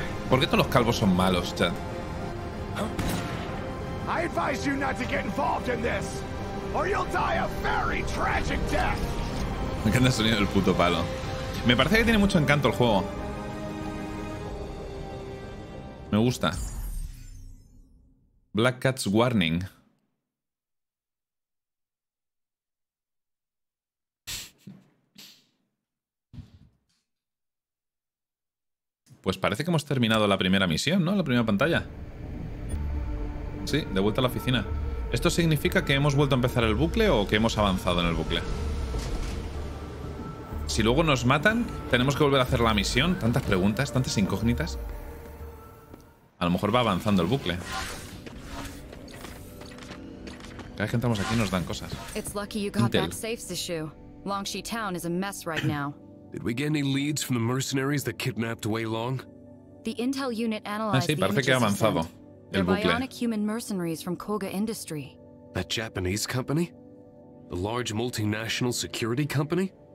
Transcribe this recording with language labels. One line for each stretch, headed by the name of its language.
Spanish: ¿Por qué todos los calvos son malos, chat?
English: I advise you not to get involved in this, or you'll die a very tragic death.
Spanish: Me encanta el sonido del puto palo. Me parece que tiene mucho encanto el juego. Me gusta. Black Cat's Warning. Pues parece que hemos terminado la primera misión, ¿no? La primera pantalla. Sí, de vuelta a la oficina. ¿Esto significa que hemos vuelto a empezar el bucle o que hemos avanzado en el bucle? Si luego nos matan, ¿tenemos que volver a hacer la misión? Tantas preguntas, tantas incógnitas. A lo mejor va avanzando el bucle. Cada vez que entramos aquí nos dan cosas.
English: Intel. Did we get any leads from the mercenaries that kidnapped Weilong? The intel unit analyzed the images.
Spanish: Ah, sí, parece que ha avanzado.
English: The bionic human mercenaries from Koga Industry. That Japanese company? The large multinational security company?